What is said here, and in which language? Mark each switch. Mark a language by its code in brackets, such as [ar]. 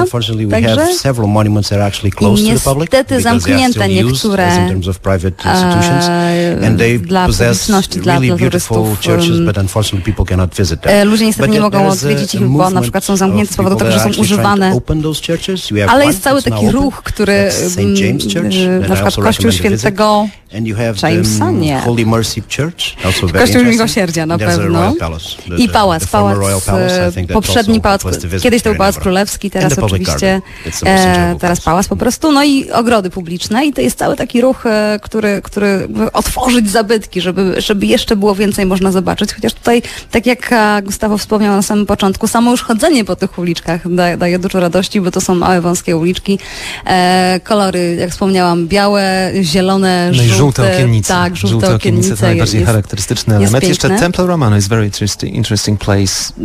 [en] Unfortunately, we have several monuments that are actually closed to the public because they are still used [pl] niektóre, [en] as in terms of private institutions. And they possess really beautiful churches, but unfortunately, people cannot visit them. [pl] Ludzie niestety nie mogą odwiedzić ich, bo na przykład są zamknięte z powodu tego, że są używane. Ale jest cały taki ruch, który na przykład Kościół Świętego Jamesa, nie. [en] Holy Mercy Church, also very [pl] Kościół Miłosierdzia na pewno. I pałac, poprzedni pałac, kiedyś to był Pałac Królewski, teraz oczywiście teraz pałac po prostu. No i ogrody publiczne i to jest cały taki ruch, który otworzyć zabytki, żeby jeszcze było więcej można zobaczyć. Chociaż tutaj, tak jak Gustavo wspomniał na samym początku, samo już chodzenie po tych uliczkach daje dużo radości, bo to są małe, wąskie uliczki. Kolory, jak wspomniałam, białe, zielone, żółte. No i żółte okiennice. Tak, żółte okiennice. To najbardziej charakterystyczny element. Piękne. [en] Jeszcze Templo Romano is very interesting place.